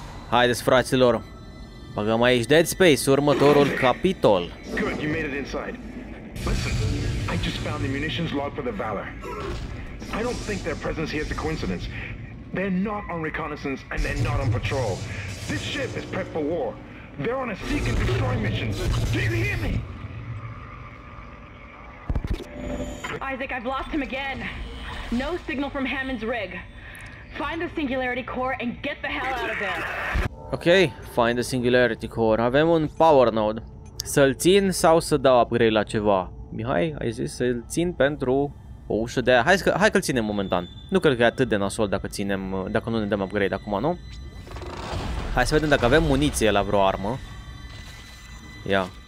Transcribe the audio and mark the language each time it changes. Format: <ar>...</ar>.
<ro>Haideți, fraților, băgăm aici Dead Space, următorul capitol.</ro> <en>Good, you made it inside. Listen, I just found the munitions log for the Valor. I don't think their presence here is a coincidence. They're not on reconnaissance and they're not on patrol. This ship is prepped for war. They're on a seek and destroy mission. Do you hear me? Isaac, I've lost him again. No signal from Hammond's rig. Find the Singularity Core and get the hell out of there. Ok, find the Singularity Core.</en> <ro>Avem un power node. Să-l țin sau să dau upgrade la ceva? Mihai, ai zis să-l țin pentru o ușă de aia. Hai că-l ținem momentan. Nu cred că e atât de nasol dacă ținem, dacă nu ne dăm upgrade acum, nu? Hai să vedem dacă avem muniție la vreo armă. Ia.</ro>